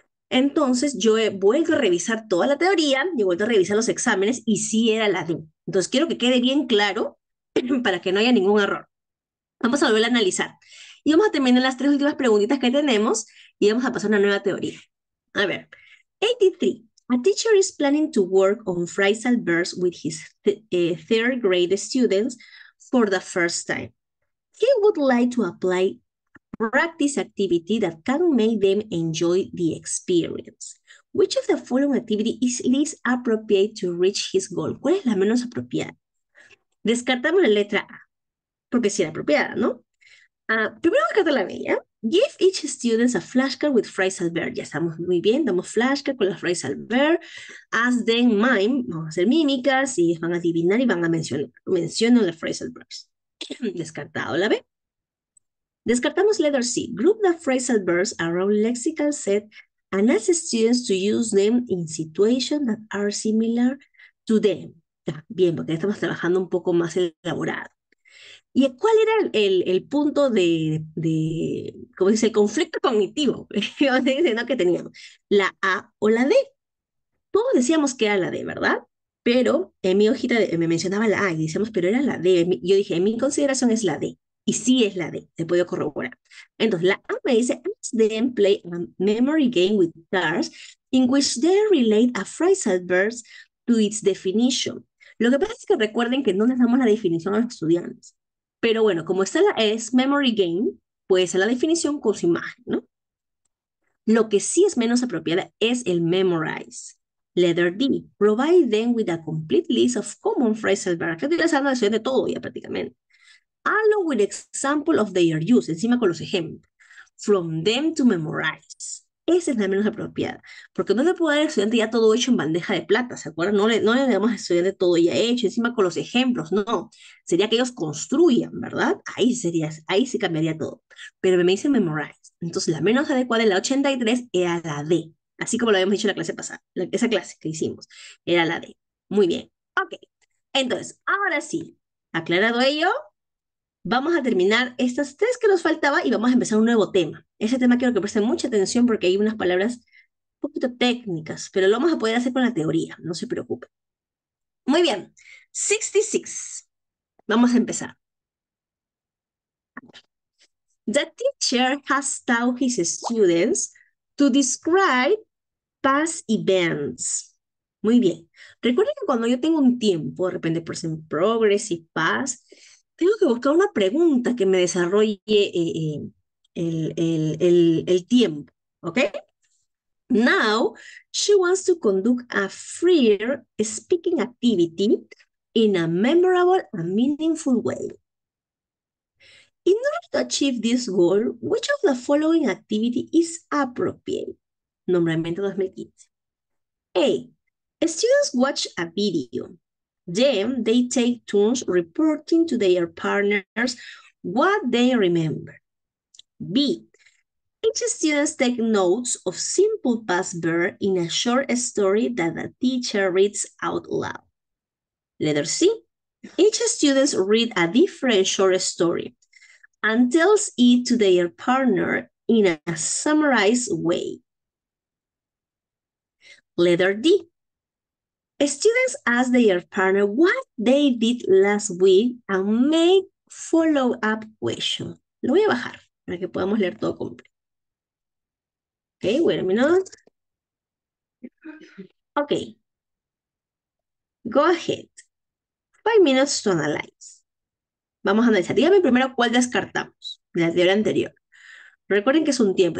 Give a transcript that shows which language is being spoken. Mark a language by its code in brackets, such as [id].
[es] Entonces, yo he vuelto a revisar toda la teoría, y he vuelto a revisar los exámenes y sí era la D. Entonces, quiero que quede bien claro para que no haya ningún error. Vamos a volver a analizar. Y vamos a terminar las tres últimas preguntitas que tenemos y vamos a pasar a una nueva teoría. A ver, 83. [en] A teacher is planning to work on phrasal verbs with his third grade students for the first time. He would like to apply a practice activity that can make them enjoy the experience. Which of the following activity is least appropriate to reach his goal? [es] ¿Cuál es la menos apropiada? Descartamos la letra A, porque sí era apropiada, ¿no? Primero descartar la B, ¿ya? [en] Give each student a flashcard with phrasal verb. [es] Ya estamos muy bien, damos flashcard con la phrasal verb. [en] Ask them mime, [es] vamos a hacer mímicas y van a adivinar y van a mencionar. Mencionan las phrasal verbs. Descartado la B. Descartamos letter C. [en] Group the phrasal verbs around lexical set and ask students to use them in situations that are similar to them. [es] Ya, bien, porque ya estamos trabajando un poco más elaborado. ¿Y cuál era el punto de ¿cómo dice? El conflicto cognitivo que teníamos, ¿la A o la D? Todos decíamos que era la D, ¿verdad? Pero en mi hojita me mencionaba la A y decíamos, pero era la D. Yo dije, en mi consideración es la D. Y sí es la D, se puede corroborar. Entonces, la A me dice, [en] ask them play a memory game with cards in which they relate a phrasal verb to its definition. [es] Lo que pasa es que recuerden que no les damos la definición a los estudiantes. Pero bueno, como está la es memory game, puede ser la definición con su imagen, ¿no? Lo que sí es menos apropiada es el memorize. [en] Letter D. Provide them with a complete list of common phrasal verbs. [es] Que ustedes han de todo ya prácticamente. [en] Along with example of their use. [es] Encima con los ejemplos. [en] From them to memorize. [es] Esa es la menos apropiada. Porque no le puedo dar al estudiante ya todo hecho en bandeja de plata, ¿se acuerdan? No le damos al estudiante todo ya hecho, encima con los ejemplos, no. Sería que ellos construyan, ¿verdad? Ahí sí cambiaría todo. Pero me dice memorize. Entonces, la menos adecuada en la 83 era la D. Así como lo habíamos dicho en la clase pasada. Esa clase que hicimos era la D. Muy bien. Ok. Entonces, ahora sí, aclarado ello, vamos a terminar estas tres que nos faltaba y vamos a empezar un nuevo tema. Ese tema quiero que presten mucha atención porque hay unas palabras un poquito técnicas, pero lo vamos a poder hacer con la teoría, no se preocupen. Muy bien, 66. Vamos a empezar. [en] The teacher has taught his students to describe past events. [es] Muy bien. Recuerden que cuando yo tengo un tiempo, de repente, present progress y past, tengo que buscar una pregunta que me desarrolle el tiempo, ¿ok? [en] Now, she wants to conduct a freer speaking activity in a memorable and meaningful way. In order to achieve this goal, which of the following activity is appropriate? [es] Nombramiento 2015. [en] A. Students watch a video. Then they take turns reporting to their partners what they remember. B. Each student takes notes of simple past verb in a short story that the teacher reads out loud. Letter C. Each student reads a different short story and tells it to their partner in a summarized way. Letter D. Students ask their partner what they did last week and make follow-up questions. [es] Lo voy a bajar para que podamos leer todo completo. [en] Okay, wait a minute. Okay. Go ahead. 5 minutes to analyze. [es] Vamos a analizar. Dígame primero cuál descartamos de la teoría anterior. Recuerden que es un tiempo.